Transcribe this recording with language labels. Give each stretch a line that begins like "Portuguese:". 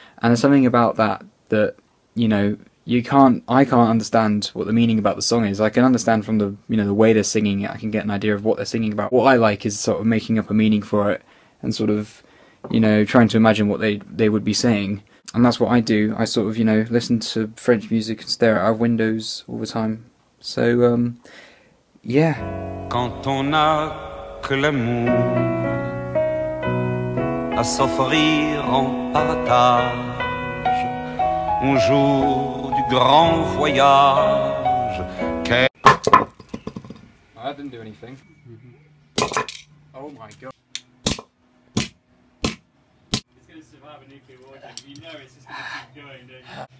English: And there's something about that, you know, I can't understand what the meaning about the song is. I can understand from the, you know, the way they're singing it, I can get an idea of what they're singing about. What I like is sort of making up a meaning for it and sort of, you know, trying to imagine what they would be saying. And that's what I do. I sort of, you know, listen to French music and stare out of windows all the time. So, yeah.
French: Quand on a que l'amour à s'offrir en partage un jour du grand voyage.
English: Okay. Oh, that didn't do anything. Mm-hmm. Oh my god. It's gonna survive a nuclear war, you know it's just gonna keep going, don't you?